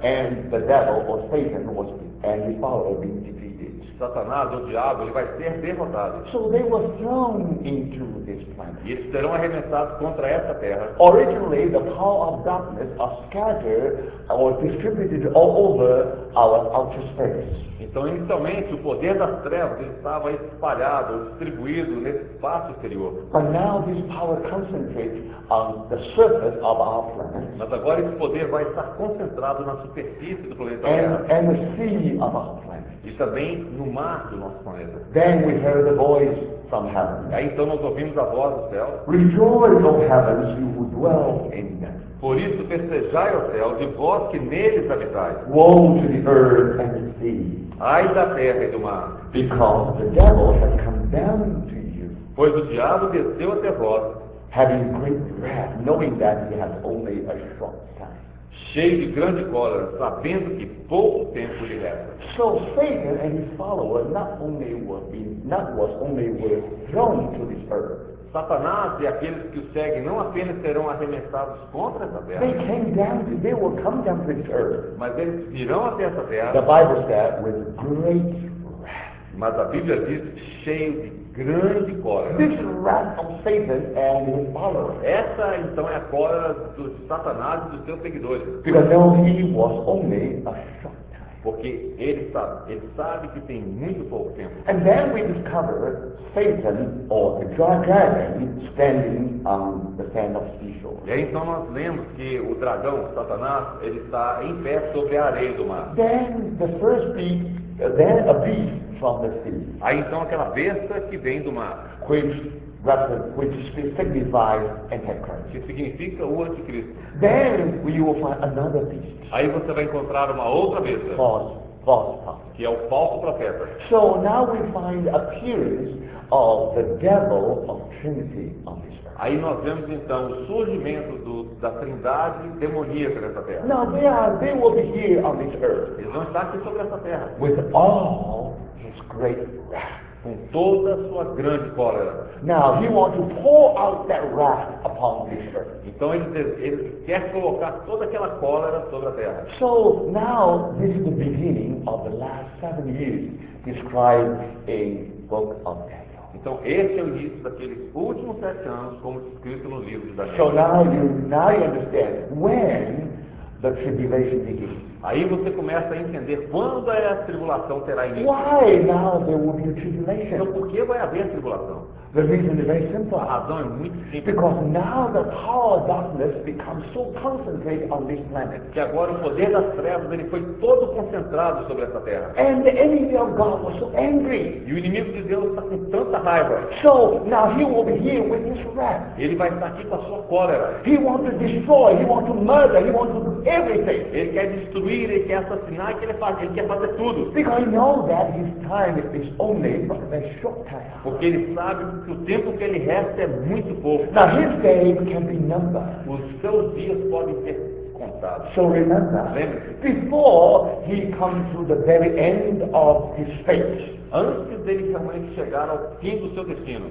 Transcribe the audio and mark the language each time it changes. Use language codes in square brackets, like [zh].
[en] and the devil or Satan was and his followers being defeated. [pt] Satanás, o diabo, ele vai ser derrotado. [en] So they were thrown into this planet. [pt] E eles serão arremessados contra essa terra. [en] Originally, the power of darkness are scattered or distributed all over our outer space. [pt] Então, inicialmente, o poder das trevas estava espalhado, distribuído nesse espaço exterior. [en] But now this power concentrates on the surface of our planet. [pt] Mas agora esse poder vai estar concentrado na superfície do planeta [en] and the sea of our planet. [pt] E também no mar do nosso planeta. [en] Then we heard the voice from heaven. [pt] E aí então nós ouvimos a voz do céu. [en] Rejoice, O heavens, you who dwell in them. [pt] Por isso festejai, ó céu, de vós que neles habitais. [en] Woe to the earth and the sea. [pt] Ai da terra e do mar. [en] Because the devil has come down to you. [pt] Pois o diabo desceu até vós. [en] Having great wrath, knowing that he has only a short time. [pt] Cheio de grande cólera, sabendo que pouco tempo lhe resta. [en] So Satan and his followers not only were thrown to this earth. [pt] Satanás e aqueles que o seguem não apenas serão arremessados contra essa terra. [en] They came down, they will come down to this earth. [pt] Mas eles virão até essa terra. [en] The Bible said with great wrath. [pt] Mas a Bíblia diz cheio de grande cólera. [en] This wrath of Satan and his followers. [pt] Essa então é a cólera do Satanás e dos seus seguidores. [en] Because he was only a short time. [pt] Porque ele sabe que tem muito pouco tempo. [en] And then we discover Satan or the dragon standing on the sand of seashore. [pt] E aí então nós lemos que o dragão, o Satanás, ele está em pé sobre a areia do mar. [en] Then the first beast, then a beast from the sea. [pt] Aí então aquela besta que vem do mar. [en] Which signifies Antichrist. [pt] Que significa o anticristo. [en] Then you will find another beast. [pt] Aí você vai encontrar uma outra besta. [en] False prophet. [pt] Que é o falso profeta. [en] So now we find appearance of the devil of Trinity on this earth. [pt] Aí nós vemos então o surgimento da trindade demoníaca nessa terra. [en] Now they will be here on this earth. [pt] Eles vão estar aqui sobre essa terra. [en] With all his great wrath. [pt] Com toda a sua grande cólera. [en] Now he wants to pour out that wrath upon this earth. [pt] Então ele quer colocar toda aquela cólera sobre a terra. [en] So now this is the beginning of the last 7 years described in the book of Daniel. [pt] Então, esse é o início daqueles últimos 7 anos, como escrito no livro de Daniel. [en] So now you understand when the tribulation begins. [pt] Aí você começa a entender quando a tribulação terá início. [en] Why now there will be a tribulation? [pt] Então, por que vai haver a tribulação? [en] The reason is very simple. [pt] A razão é muito simples. [en] Because now the power of darkness becomes so concentrated on this planet. [pt] Que agora o poder das trevas ele foi todo concentrado sobre essa terra. [en] And the enemy of God was so angry. [pt] E o inimigo de Deus está com tanta raiva. [en] So now he will be here with his wrath. [pt] Ele vai estar aqui com a sua cólera. [en] He wants to destroy. He wants to murder. He wants to do everything. [pt] Ele quer destruir. Ele quer assassinar. Ele quer fazer tudo. [en] Because he knows that his time is only but a very short time. [pt] Porque ele sabe que o tempo que ele resta é muito pouco. [en] Now his days can be numbered. [pt] Os seus dias podem ser contados. [en] So remember, [pt] lembre-se, [en] before he comes to the very end of his fate, [pt] antes dele realmente chegar ao fim do seu destino,